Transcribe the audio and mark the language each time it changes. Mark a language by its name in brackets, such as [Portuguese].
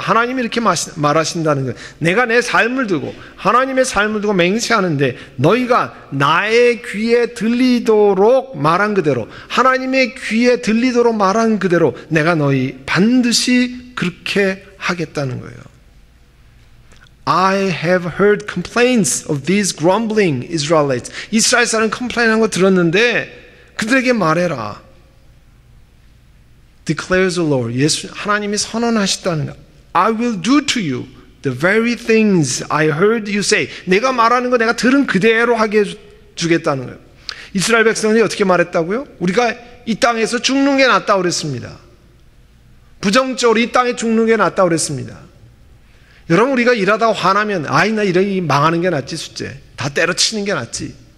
[Korean] 하나님이 이렇게 말하신다는 거예요. 내가 내 삶을 두고 하나님의 삶을 두고 맹세하는데 너희가 나의 귀에 들리도록 말한 그대로 하나님의 귀에 들리도록 말한 그대로 내가 너희 반드시 그렇게 하겠다는 거예요. [English] I have heard complaints of these grumbling Israelites. [Korean] 이스라엘 사람 complain한 거 들었는데 그들에게 말해라. [English] Declares the Lord. [Korean] 예수 하나님이 선언하셨다는 거. [English] I will do to you the very things I heard you say. [Korean] 내가 말하는 거 내가 들은 그대로 하게 주겠다는 거예요. 이스라엘 백성들이 어떻게 말했다고요? 우리가 이 땅에서 죽는 게 낫다 그랬습니다. 부정적으로 이 땅에 죽는 게 낫다 그랬습니다. 여러분 우리가 일하다가 화나면 아이 나 이렇게 망하는 게 낫지 숫제 다 때려치는 게 낫지.